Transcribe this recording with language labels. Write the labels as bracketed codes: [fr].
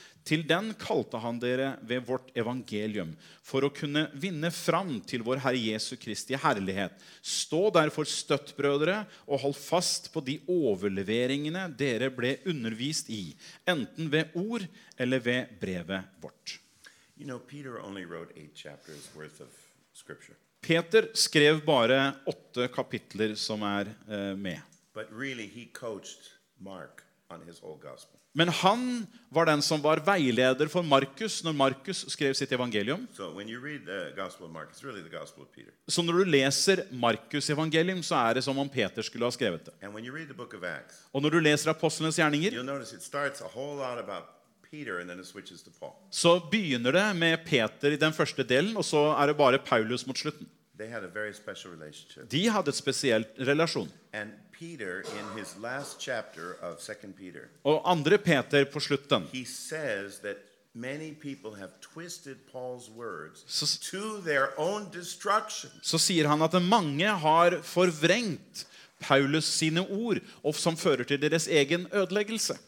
[no] Til den kalte han dere ved vårt evangelium for å kunne vinne fram til vår Herre Jesu Kristi herlighet. Stå derfor støtt, brødre, og hold fast på de overleveringene dere ble undervist I, enten ved ord eller ved brevet vårt. [en] You know, Peter only wrote 8 chapters worth of scripture. [no] Peter skrev bare 8 kapitler som med. [en] But really he coached Mark on his whole gospel. [sv] Men han var den som var vägleder för Markus när Markus skrev sitt evangelium. [en] So when you read the gospel of Mark, it's really the gospel of Peter. [sv] Så när du läser Markus evangelium så det som om Peter skulle ha skrivit det. [en] And when you read the book of Acts. [sv] Och när du läser apostlarnas gärningar, [en] you'll notice it starts a whole lot about Peter and then it switches to Paul. [sv] Så börjar det med Peter I den första delen och så det bara Paulus mot slutet. [en] They had a very special relationship. [sv] De hade ett speciellt relation. [en] And Peter in his last chapter of 2 Peter. [sv] Och andra Peter på slutet. [en] He says that many people have twisted Paul's words to their own destruction. [sv] Så säger han att många har förvrängt Paulus sine ord och som förer till deras egen ödeläggelse.